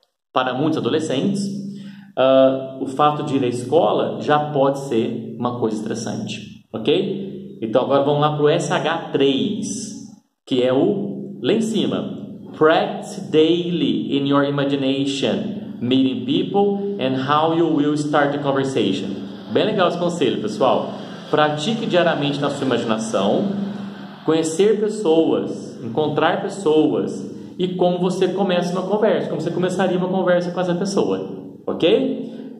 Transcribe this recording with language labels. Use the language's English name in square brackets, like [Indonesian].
[Portuguese] Para muitos adolescentes, o fato de ir à escola já pode ser uma coisa estressante, ok? Então agora vamos lá para o SH3, que é o lá em cima. [English] Practice daily in your imagination, meeting people and how you will start the conversation. [Portuguese] Bem legal esse conselho, pessoal. Pratique diariamente na sua imaginação, conhecer pessoas, encontrar pessoas. E como você começa uma conversa, como você começaria uma conversa com essa pessoa, ok?